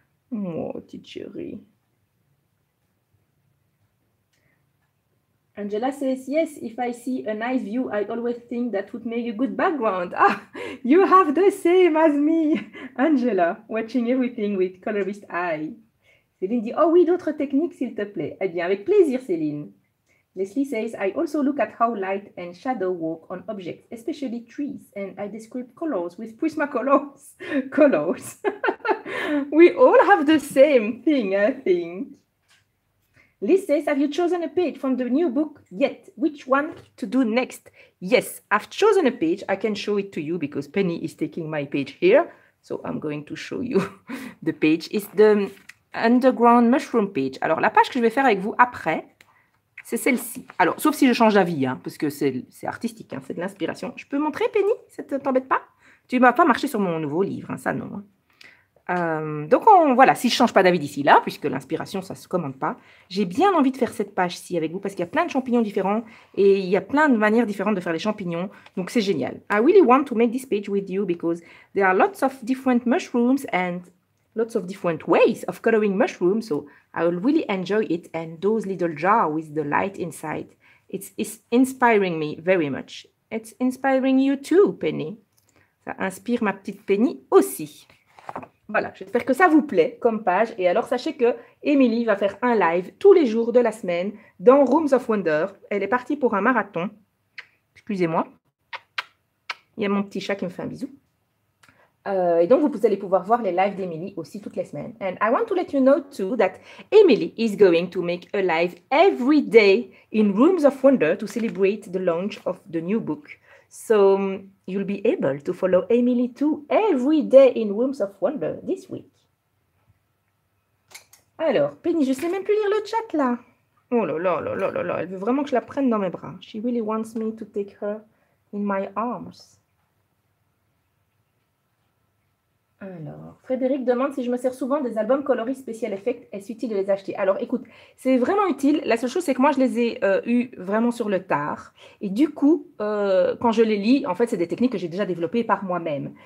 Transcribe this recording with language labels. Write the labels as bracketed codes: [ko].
[fr] Moi, petite chérie. [en] Angela says, yes, if I see a nice view, I always think that would make a good background. Ah, you have the same as me, Angela, watching everything with colorist eye. [fr] Céline dit, oh oui, d'autres techniques, s'il te plaît. Eh bien, avec plaisir, Céline. [en] Leslie says, I also look at how light and shadow work on objects, especially trees, and I describe colors with Prismacolors. Colors. We all have the same thing, I think. Liz says, have you chosen a page from the new book yet? Which one to do next? Yes, I've chosen a page. I can show it to you because Penny is taking my page here. So I'm going to show you the page. It's the underground mushroom page. [fr] Alors, la page que je vais faire avec vous après, C'est celle-ci. Alors, sauf si je change d'avis, hein, parce que c'est artistique, hein, c'est de l'inspiration. Je peux montrer, Penny? Ça ne t'embête pas? Tu ne m'as pas marché sur mon nouveau livre, hein, ça non. Hein. Donc, voilà, si je ne change pas d'avis d'ici là, puisque l'inspiration, ça ne se commande pas, j'ai bien envie de faire cette page-ci avec vous, parce qu'il y a plein de champignons différents, et il y a plein de manières différentes de faire les champignons, donc c'est génial. [en] I really want to make this page with you, because there are lots of different mushrooms and... lots of different ways of coloring mushrooms, so I will really enjoy it. And those little jar with the light inside, it's inspiring me very much. It's inspiring you too, Penny. [fr] Ça inspire ma petite Penny aussi. Voilà, j'espère que ça vous plaît comme page. Et alors, sachez que Emily va faire un live tous les jours de la semaine dans Rooms of Wonder. Elle est partie pour un marathon. Excusez-moi. Il y a mon petit chat qui me fait un bisou. Et donc, vous allez pouvoir voir les lives d'Emily aussi toutes les semaines. [en] And I want to let you know too that Emily is going to make a live every day in Rooms of Wonder to celebrate the launch of the new book. So, you'll be able to follow Emily too every day in Rooms of Wonder this week. [fr] Alors, Penny, je ne sais même plus lire le chat là. Oh là là là là là là, elle veut vraiment que je la prenne dans mes bras. [en] She really wants me to take her in my arms. [fr] Alors, Frédéric demande si je me sers souvent des albums coloris spécial effect, est-ce utile de les acheter? Alors, écoute, c'est vraiment utile. La seule chose, c'est que moi, je les ai eus vraiment sur le tard. Et du coup, quand je les lis, en fait, c'est des techniques que j'ai déjà développées par moi-même.